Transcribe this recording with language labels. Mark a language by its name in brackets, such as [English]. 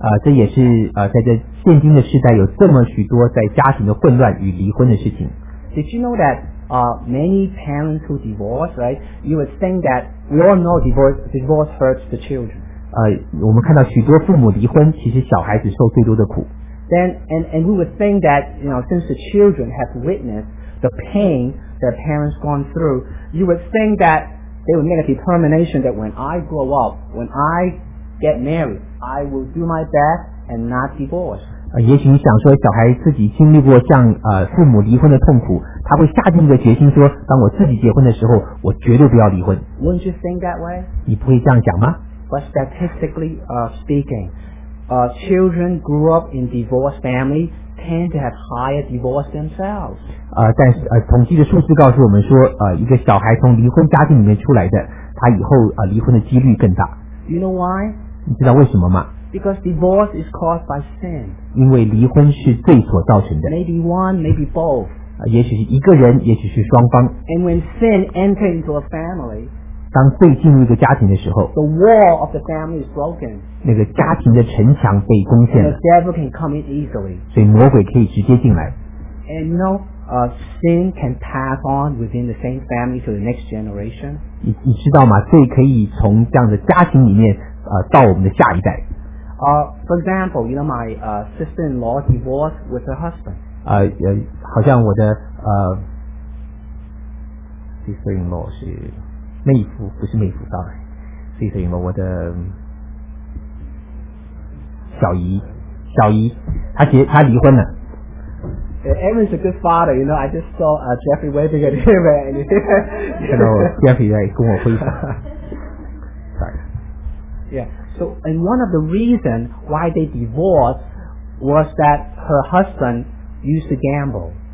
[Chinese] 这也是在这现今的时代有这么许多在家庭的混乱与离婚的事情。 [English] Did you know that many parents who divorce, right? You would think that we all know divorce hurts the children. [Chinese] 我们看到许多父母离婚，其实小孩子受最多的苦。 [English] Then and we would think that you know since the children have witnessed the pain their parents gone through, you would think that they would make a determination that when I grow up, when I get married, I will do my best and not divorce. [Chinese] 也许你想说小孩自己经历过像父母离婚的痛苦，他会下定一个决心说，当我自己结婚的时候，我绝对不要离婚。 [English] Wouldn't you think that way? [Chinese] 你不会这样讲吗？ [English] But statistically speaking, children grew up in divorced families tend to have higher divorce themselves. [Chinese] 但是统计的数字告诉我们说，一个小孩从离婚家庭里面出来的，他以后离婚的几率更大。 [English] You know why? [Chinese] 你知道为什么吗？ [English] Because divorce is caused by sin. [Chinese] 因为离婚是罪所造成的。 [English] Maybe one, maybe both. [Chinese] 也许是一个人，也许是双方。 [English] And when sin enters into a family. [Chinese] 当被进入一个家庭的时候 [English] the wall of the family is broken. [Chinese] 那个家庭的城墙被攻陷了 [English] and the devil can come in easily. [Chinese] 所以魔鬼可以直接进来 [English] and you know, sin can pass on within the same family to the next generation. [Chinese] 你知道吗罪可以从这样的家庭里面到我们的下一代 [English] for example, you know, my sister-in-law divorced with her husband. [Chinese] 好像我的sister-in-law 是妹夫不是妹夫 sorry 是什么我的小姨她离婚了 [English] Evan's a good father you know I just saw Jeffrey waving at him and kind of [Chinese] Jeffrey 在跟我挥手 sorry [English] yeah so and one of the reason why they divorced was that her husband used to gamble